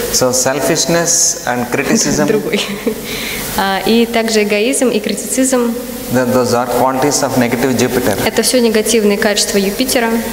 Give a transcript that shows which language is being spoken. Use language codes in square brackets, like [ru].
[en] So selfishness and criticism. [ru] Другой. И также эгоизм и критицизм. [en] Those are qualities of negative Jupiter. [ru] Это все негативные качества Юпитера.